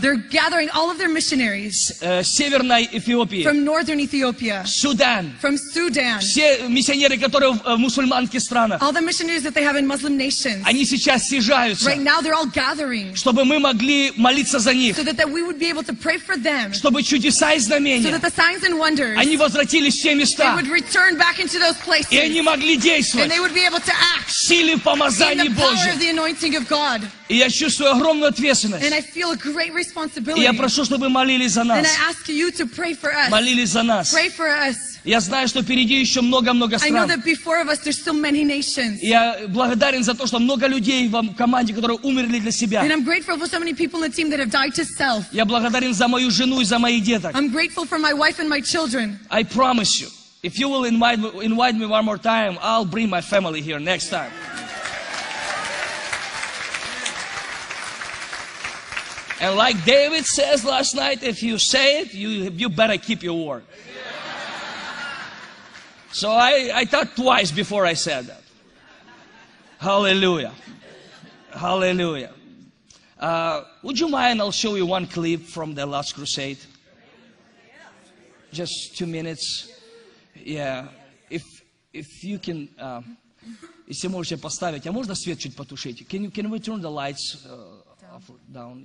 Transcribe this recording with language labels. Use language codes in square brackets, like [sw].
[en] They're gathering all of their missionaries. [ru] Северной Эфиопии. [en] From northern Ethiopia. Sudan. From Sudan. [ru] Все миссионеры, которые в мусульманских странах. [en] All the missionaries that they have in Muslim nations. [ru] Они сейчас съезжаются. [en] Right now, they're all gathering. [ru] Чтобы мы могли молиться за них. [en] So that we would be able to pray for them. [ru] Чтобы чудеса и знамения. [en] So that the signs and wonders. [ru] Они возвратились в те места. [en] They would return back into those places. [ru] И они могли действовать. [en] And they would be able to act. [ru] В силе помазания Божьего. [en] In the power of the anointing of God. [ru] И я чувствую огромную ответственность. [en] And I feel a great responsibility. [ru] И я прошу, чтобы молились за нас. [en] And I ask you to pray for us. [ru] Молились за нас. [en] Pray for us. [ru] Я знаю, что впереди еще много-много стран. [en] I know that before of us there's so many nations. [ru] Я благодарен за то, что много людей в команде, которые умерли для себя. [en] And I'm grateful for so many people in the team that have died to self. [ru] Я благодарен за мою жену и за моих деток. [en] I'm grateful for my wife and my children. I promise you, if you will invite me one more time, I'll bring my family here next time. And like David says last night, if you say it, you better keep your word. So I thought twice before I said that. Hallelujah. Hallelujah. Would you mind, I'll show you one clip from the last crusade. Just 2 minutes. Yeah. If you can, [ru] если можете поставить, а можно свет чуть потушить? [en] Can we turn the lights down?